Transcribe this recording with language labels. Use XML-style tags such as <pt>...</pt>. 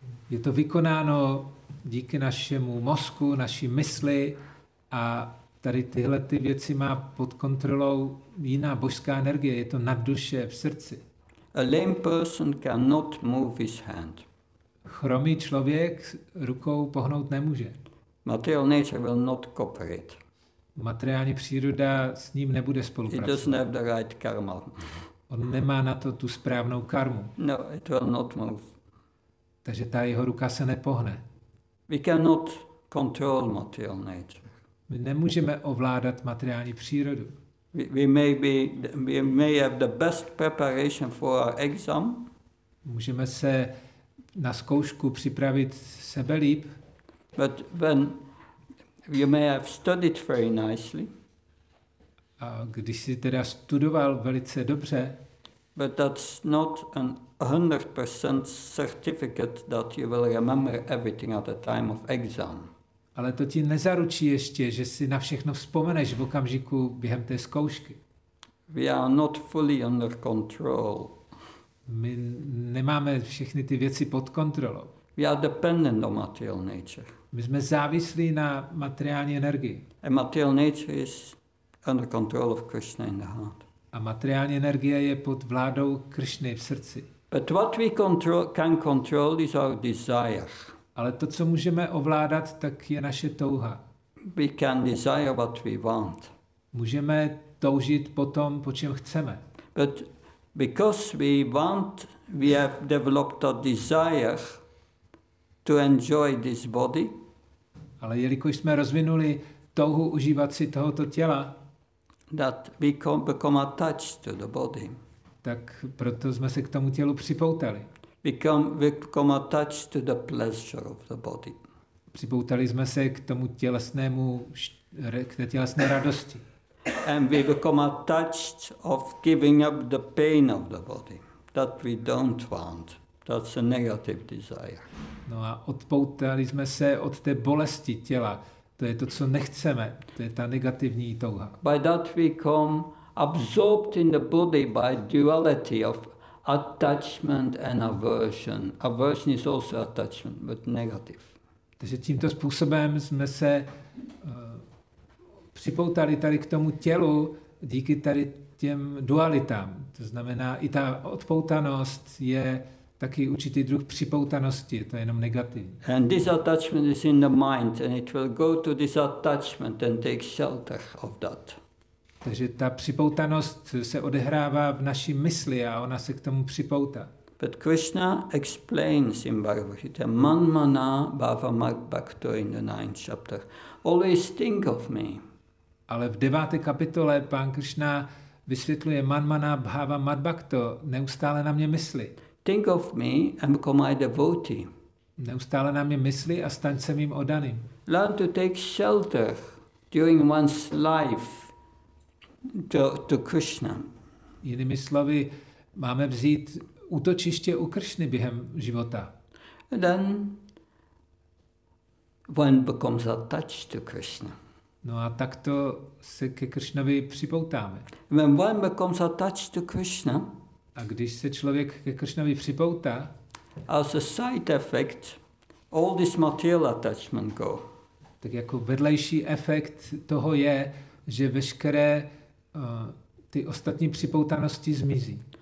<cs>Je to vykonáno díky našemu mozku, naší mysli a tady tyhle ty věci má pod kontrolou jiná božská energie, je to nad duše v srdci.</cs> <en>A lame person cannot move his hand.</en> <cs>Chromý člověk rukou pohnout nemůže.</cs> <en>Material nature will not cooperate.</en> <cs>Materiální příroda s ním nebude spolupracovat.</cs> <en>It doesn't have the right karma.</en> <cs>On nemá na to tu správnou karmu.</cs> <en>No, it will not move.</en> <cs>Takže ta jeho ruka se nepohne.</cs> <en>We cannot control material nature.</en> <cs>My nemůžeme ovládat materiální přírodu.</cs> <en>We may have the best preparation for our exam.</en> <cs>Můžeme se na zkoušku připravit sebe líp.</cs> <en>But when you may have studied very nicely.</en> <cs>A když jsi teda studoval velice dobře.</cs> <en>But that's not an 100% certificate that you will remember everything at the time of exam.</en> <cs>Ale to ti nezaručí ještě, že si na všechno vzpomeneš v okamžiku během té zkoušky.</cs> <en>We are not fully under control.</en> <cs>My nemáme všechny ty věci pod kontrolou.</cs> <en>We are dependent on material nature.</en> <cs>My jsme závislí na materiální energii.</cs> <en>A material nature is under control of Krishna in the heart.</en> <cs>A materiální energie je pod vládou Krishny v srdci.</cs> <en>But what we can control is our desire.</en> <cs>Ale to, co můžeme ovládat, tak je naše touha.</cs> <en>We can desire what we want.</en> <cs>Můžeme toužit po tom, po čem chceme.</cs> <en>But because we want, we have developed a desire to enjoy this body.</en> <cs>Ale jelikož jsme rozvinuli touhu užívat si tohoto těla,</cs> <en>that we become attached to the body.</en> <cs>Tak proto jsme se k tomu tělu připoutali.</cs> <en>Become attached to the pleasure of the body.</en> <cs>Připoutali jsme se k tomu tělesnému, k té tělesné radosti.</cs> <en>And we become attached of giving up the pain of the body that we don't want. That's a negative desire.</en> <cs>No a odpoutali jsme se od té bolesti těla. To je to, co nechceme. To je ta negativní touha.</cs> <en>By that we come absorbed in the body by duality of attachment and aversion. Aversion is also attachment, but negative.</en> <cs>Takže tímto způsobem jsme se připoutali tady k tomu tělu díky tady těm dualitám. To znamená, i ta odpoutanost je taky určitý druh připoutanosti, to je jenom negativní.</cs> <en>And this attachment is in the mind and it will go to this attachment and take shelter of that.</en> <cs>Takže ta připoutanost se odehrává v naší mysli a ona se k tomu připouta.</cs> <en>But Krishna explains in Bhagavad Gita,</en> <sa>manmana bhava mag bhakto</sa> <en>in the ninth chapter. Always think of me.</en> <cs>Ale v 9. kapitole pán Krishna vysvětluje</cs> <sa>manmana bhava mag bhakto,</sa> <cs>neustále na mě mysli.</cs> <en>Think of me and become my devotee.</en> <cs>Neustále na mě mysli a staň se mým oddaným.</cs> <en>Learn to take shelter during one's life to Krishna.</en> <cs>Jinými slovy, máme vzít útočiště u Krishny během života.</cs> <en>And then one becomes attached to Krishna.</en> <cs>No a takto se ke Krishnovi připoutáme.</cs> <en>When one becomes attached to Krishna,</en> <cs>a když se člověk ke Krishnovi připoutá,</cs> <en>as a side effect, all this material attachment go.</en> <cs>Tak jako vedlejší efekt toho je, že veškeré ty ostatní připoutanosti zmizí.</cs>